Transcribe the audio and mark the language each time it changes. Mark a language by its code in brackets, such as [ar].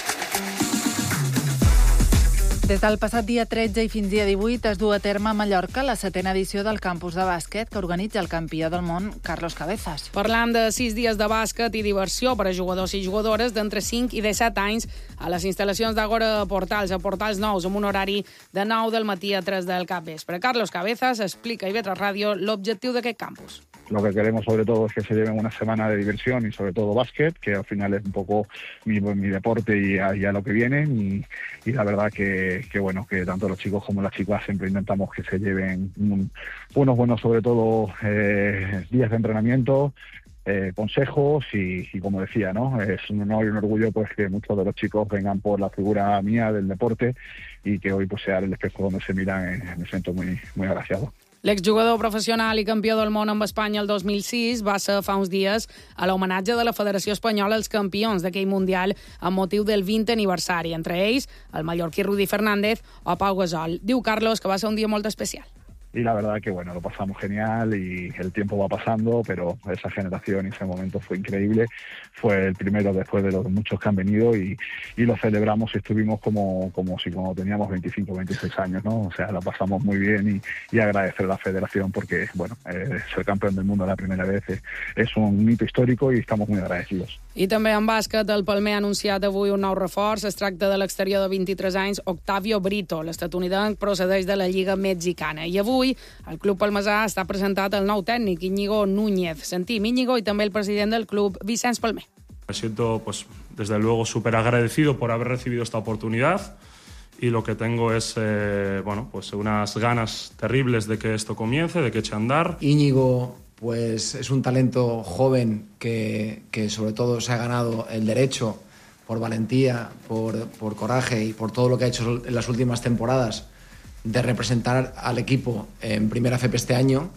[ca] Des del passat dia 13 i fins dia 18 es du a terme a Mallorca la 7a edició del campus de bàsquet que organitza el campió del món, Carlos Cabezas. Parlant de 6 dies de bàsquet i diversió per a jugadors i jugadores d'entre 5 i 17 anys a les instal·lacions d'Agora Portals, a Portals Nous, amb un horari de 9 del matí a 3 del capvespre. Carlos Cabezas explica a Ivetra Ràdio l'objectiu d'aquest campus. [es] Lo que queremos sobre todo es que se lleven una semana de diversión y sobre todo básquet, que al final es un poco mi deporte y a lo que viene. Y la verdad que bueno, que tanto los chicos como las chicas siempre intentamos que se lleven unos buenos, sobre todo, días de entrenamiento, consejos y como decía, ¿no? Es un honor y un orgullo pues que muchos de los chicos vengan por la figura mía del deporte y que hoy pues sea el espejo donde se miran. Me siento muy, muy agraciado. [ca] L'exjugador professional i campió del món amb Espanya el 2006 va ser fa uns dies a l'homenatge de la Federació Espanyola als campions d'aquell Mundial amb motiu del 20 aniversari. Entre ells, el mallorquí Rudi Fernández o Pau Gasol. Diu Carlos que va ser un dia molt especial. [es] Y la verdad que, bueno, lo pasamos genial y el tiempo va pasando, pero esa generación y ese momento fue increíble. Fue el primero después de los muchos que han venido y lo celebramos y estuvimos como si cuando teníamos 25, 26 años, ¿no? O sea, lo pasamos muy bien y agradecer a la federación porque, bueno, ser campeón del mundo la primera vez es un mito histórico y estamos muy agradecidos. [ca] I també en bàsquet, el Palmer ha anunciat avui un nou reforç. Es tracta de l'exterior de 23 anys, Octavio Brito, l'estatunidenc, procedeix de la Lliga Mexicana. I avui, el club palmesà està presentat el nou tècnic, Íñigo Núñez. Sentim Íñigo i també el president del club, Vicenç Palmer. [es] Me siento, pues, desde luego, súper agradecido por haber recibido esta oportunidad y lo que tengo es, bueno, pues, unas ganas terribles de que esto comience, de que eche a andar. Íñigo, pues es un talento joven que sobre todo se ha ganado el derecho por valentía, por coraje y por todo lo que ha hecho en las últimas temporadas de representar al equipo en Primera FEP este año.